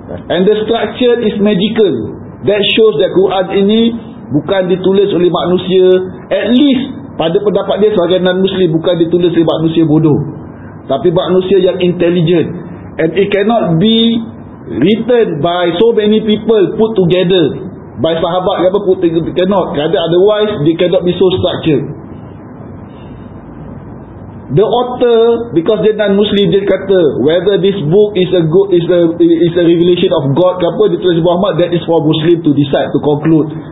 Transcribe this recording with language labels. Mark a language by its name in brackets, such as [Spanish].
[English] And the structure is magical. That shows that [Malay] Quran ini bukan ditulis oleh manusia, [English] at least [Malay] pada pendapat dia sebagai non-Muslim, bukan ditulis oleh manusia bodoh, tapi manusia yang intelligent. [English] And it cannot be written by so many people put together by sahabat apa, put together. Cannot. Otherwise they cannot be so structured. The author, because [Malay] dia non-Muslim, dia kata [English] whether this book is a revelation of God [Malay] ke apa, ditulis Muhammad, [English] that is for Muslim to decide, to conclude.